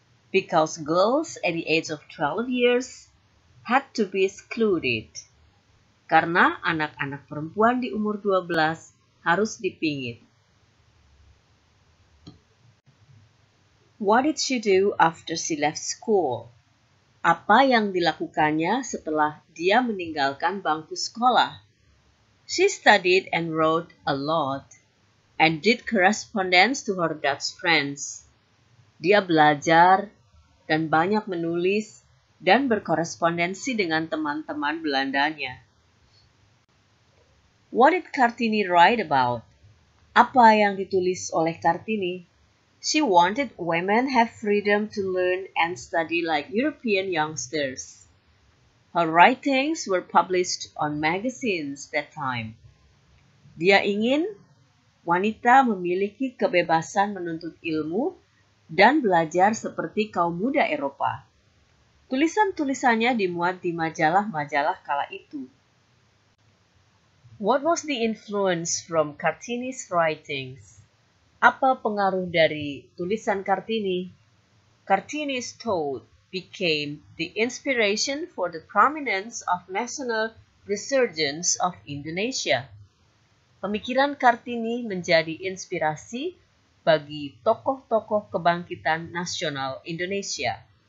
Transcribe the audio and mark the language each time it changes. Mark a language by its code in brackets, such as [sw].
[en] Because girls at the age of 12 years had to be excluded. [id] Karena anak-anak perempuan di umur 12 harus dipingit. [en] What did she do after she left school? [id] Apa yang dilakukannya setelah dia meninggalkan bangku sekolah? [en] She studied and wrote a lot, and did correspondence to her Dutch friends. [id] Dia belajar dan banyak menulis dan berkorespondensi dengan teman-teman Belandanya. [en] What did Kartini write about? [id] Apa yang ditulis oleh Kartini? [en] She wanted women have freedom to learn and study like European youngsters. Her writings were published on magazines that time. [id] Dia ingin wanita memiliki kebebasan menuntut ilmu dan belajar seperti kaum muda Eropa. Tulisan-tulisannya dimuat di majalah-majalah kala itu. [en] What was the influence from Kartini's writings? [id] Apa pengaruh dari tulisan Kartini? [en] Kartini's thought became the inspiration for the prominence of national resurgence of Indonesia. [id] Pemikiran Kartini menjadi inspirasi bagi tokoh-tokoh kebangkitan nasional Indonesia.